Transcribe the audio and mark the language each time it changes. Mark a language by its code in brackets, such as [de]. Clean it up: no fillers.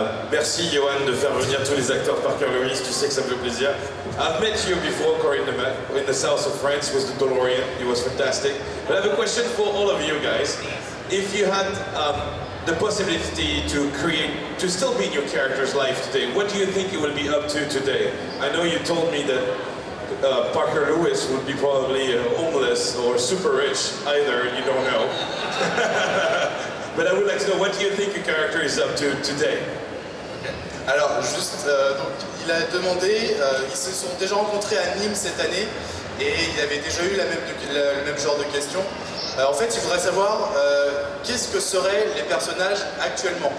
[fr] Merci Johan de faire venir tous les acteurs par Corin. Tu sais que ça me fait plaisir. [en] I've met you before, Corin, in the south of France with the DeLorean. It was fantastic. But I have a question for all of you guys. If you had the possibility to create, to still be in your character's life today, what do you think you would be up to today? I know you told me that Parker Lewis would be probably homeless or super rich, either, you don't know. But I would like to know, what do you think your character is up to today? [fr] Alors, juste, donc, il a demandé, ils se sont déjà rencontrés à Nîmes cette année, et il avait déjà eu le même genre de questions. En fait, il voudrait savoir qu'est-ce que seraient les personnages actuellement?